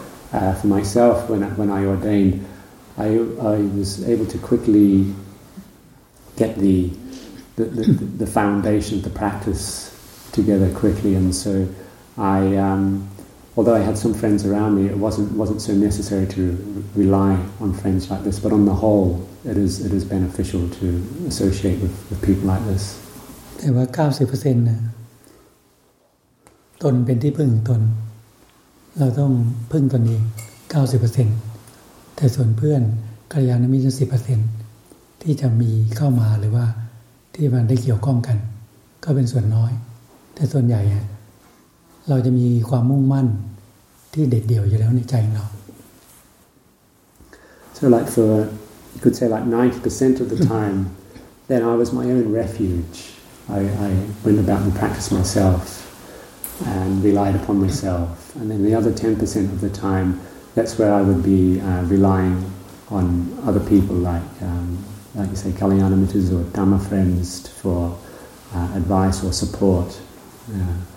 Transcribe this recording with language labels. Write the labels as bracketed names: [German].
[English] For myself, when I ordained, I was able to quickly get the foundation of the practice together quickly, and so although I had some friends around me, it wasn't so necessary to rely on friends like this. But on the whole, it is beneficial to associate with people like this. [Thai] แต่ว่า 90% นะตนเป็นที่พึ่งตนเราต้องพึ่งตนเอง 90% แต่ส่วนเพื่อนกัลยาณมิตร 10% ที่จะมีเข้ามาหรือว่าที่มันได้เกี่ยวข้องกันก็เป็นส่วนน้อยแต่ส่วนใหญ่อ่ะเราจะมีความมุ่งมั่นที่เด็ดเดี่ยวอยู่แล้วในใจเรา [English] So like for you could say like 90% of the time then I was my own refuge I went about and practiced myself and relied upon myself and then the other 10% of the time that's where I would be relying on other people like you say Kalyanamitas or Dhamma friends for advice or support yeah.